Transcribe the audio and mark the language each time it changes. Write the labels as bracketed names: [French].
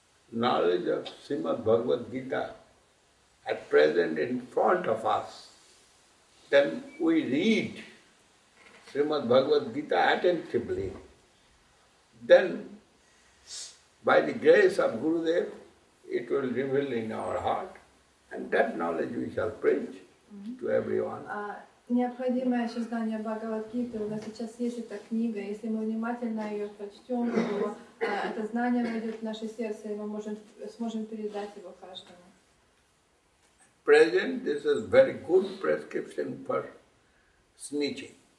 [English] Knowledge of Srimad Bhagavad Gita at present in front of us, then we read Srimad Bhagavad Gita attentively. Then, by the grace of Gurudev, it will reveal in our heart, and that knowledge we shall preach to everyone. [Russian] Необходимое еще знание Бхагавад-гиты. У нас сейчас есть эта книга. Если мы внимательно ее прочтем, то это знание войдет в наше сердце, и мы сможем передать его каждому. [English] Present, this is very good prescription for snitching.